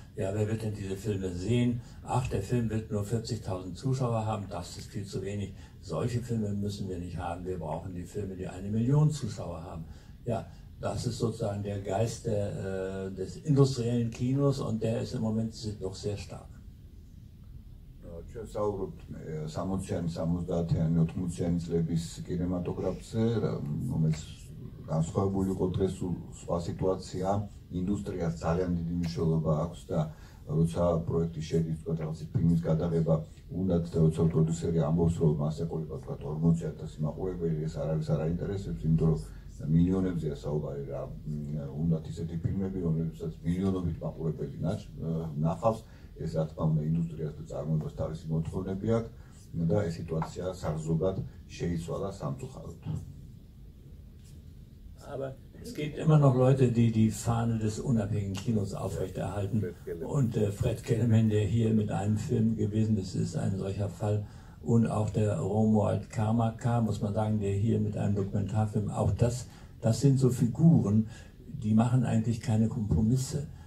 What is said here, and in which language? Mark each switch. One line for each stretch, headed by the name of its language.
German: Ja, wer wird denn diese Filme sehen? Ach, der Film wird nur 40.000 Zuschauer haben, das ist viel zu wenig. Solche Filme müssen wir nicht haben, wir brauchen die Filme, die 1 Million Zuschauer haben. Ja, das ist sozusagen der Geist des industriellen Kinos und der ist im Moment noch sehr stark.
Georgian: Ჩვენ საუბრობთ 60-იან, 70-იან, 80-იან წლების კინემატოგრაფზე, რომელიც განსხვავებული იყო დღეს სხვა სიტუაცია. Ინდუსტრიას ძალიან დიდი მნიშვნელობა აქვს და როცა პროექტი შედის თქვა რაღაცი ფილმის გადაღება, უნდათ და როცა პროდიუსერი ამბობს, რომ მას ეყოლება თქვა 40,000 მაყურებელი, ეს არავის არ აინტერესებს, იმიტომ რომ მილიონებზეა საუბარი რა, უნდათ ისეთი ფილმები, რომლებსაც მილიონობით მაყურებელი ნახავს, ეს რა თქმა უნდა ინდუსტრიას და წარმოებას თავისი მოთხოვნები აქვს და ეს სიტუაცია საზოგად შეიცვალა სამწუხაროდ.
German: Es gibt immer noch Leute, die die Fahne des unabhängigen Kinos aufrechterhalten. Und Fred Kellermann, der hier mit einem Film gewesen ist, ist ein solcher Fall. Und auch der Romuald Karmarka, muss man sagen, der hier mit einem Dokumentarfilm, auch das sind so Figuren, die machen eigentlich keine Kompromisse.